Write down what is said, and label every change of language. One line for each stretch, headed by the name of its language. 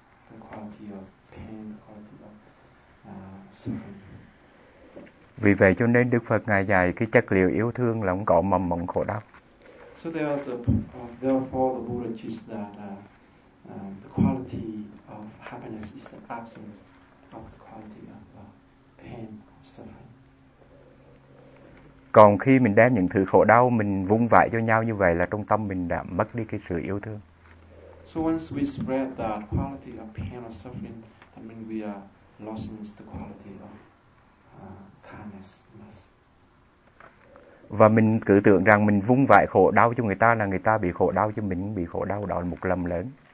English: The quality of pain, the quality of suffering.
Vietnamese: Vì vậy cho nên Đức Phật Ngài dạy cái chất liệu yêu thương là không có mầm mống khổ đau.
English: So there is therefore the Buddha teaches that the quality of happiness is the absence of the quality of pain or suffering.
Vietnamese: Còn khi mình đem những thứ khổ đau mình vung vãi cho nhau như vậy là trong tâm mình đã mất đi cái sự yêu thương.
English: So once we spread that quality of pain or suffering, that means we are losing the quality of kindness.
Vietnamese: Và mình cứ tưởng rằng mình vung vãi khổ đau cho người ta là người ta bị khổ đau chứ mình bị khổ đau, đó là một lầm lớn.